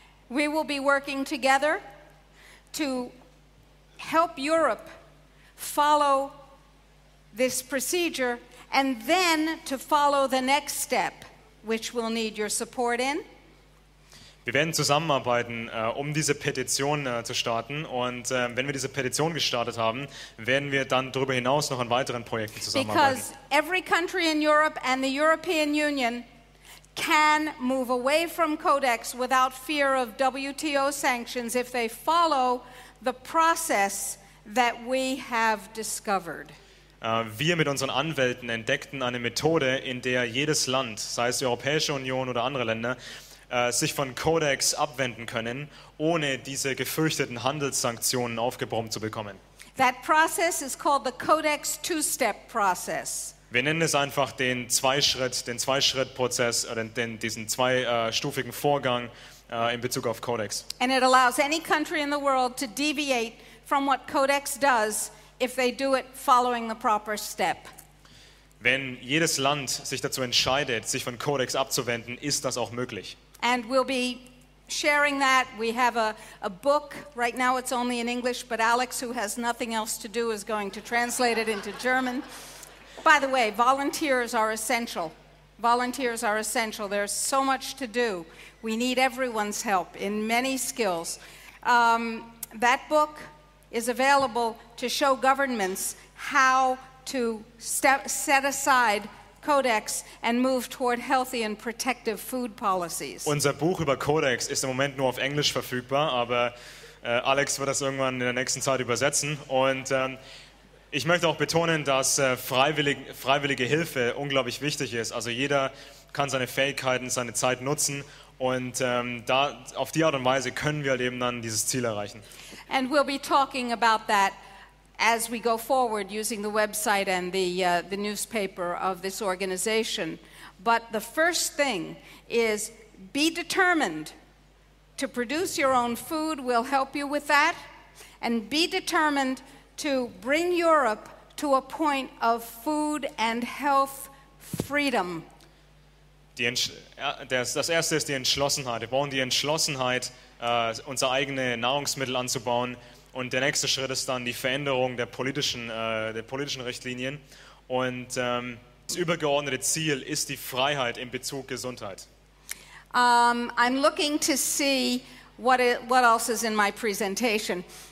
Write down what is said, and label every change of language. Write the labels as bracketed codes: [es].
[en] We will be working together to help Europe follow this procedure and then to follow the next step, which we'll need your support in. [de] Wir werden zusammenarbeiten, um diese Petition zu starten. Und wenn wir diese Petition gestartet haben, werden wir dann darüber hinaus noch an weiteren Projekten zusammenarbeiten. [en] Because every country in Europe and the European Union can move away from Codex without fear of WTO sanctions if they follow the process that we have discovered. [de] Wir mit unseren Anwälten entdeckten eine Methode, in der jedes Land, sei es die Europäische Union oder andere Länder, sich von Codex abwenden können, ohne diese gefürchteten Handelssanktionen aufgebrummt zu bekommen. [en] That process is called the Codex two-step process. [de] Wir nennen es einfach den Zweischritt-Prozess oder diesen zweistufigen Vorgang in Bezug auf Codex. [en] And it allows any country in the world to deviate from what Codex does if they do it following the proper step. [de] Wenn jedes Land sich dazu entscheidet, sich von Codex abzuwenden, ist das auch möglich. [en] And we'll be sharing that. We have a book. Right now it's only in English, but Alex, who has nothing else to do, is going to translate it into German. By the way, volunteers are essential. Volunteers are essential. There's so much to do. We need everyone's help in many skills. That book is available to show governments how to set aside Codex and move toward healthy and protective food policies. [de] Unser Buch über Codex ist im Moment nur auf Englisch verfügbar, aber Alex wird das irgendwann in der nächsten Zeit übersetzen. Und ich möchte auch betonen, dass freiwillige Hilfe unglaublich wichtig ist. Also jeder kann seine Fähigkeiten, seine Zeit nutzen, und da auf die Art und Weise können wir halt eben dann dieses Ziel erreichen. [en] And we'll be talking about that as we go forward using the website and the newspaper of this organization. But the first thing is be determined to produce your own food. We'll help you with that. And be determined to bring Europe to a point of food and health freedom. [de] Das erste ist die Entschlossenheit. Wir brauchen die Entschlossenheit, unsere eigene Nahrungsmittel anzubauen. Und der nächste Schritt ist dann die Veränderung der politischen Richtlinien. Und das übergeordnete Ziel ist die Freiheit in Bezug Gesundheit. [en] I'm looking to see what else is in my presentation.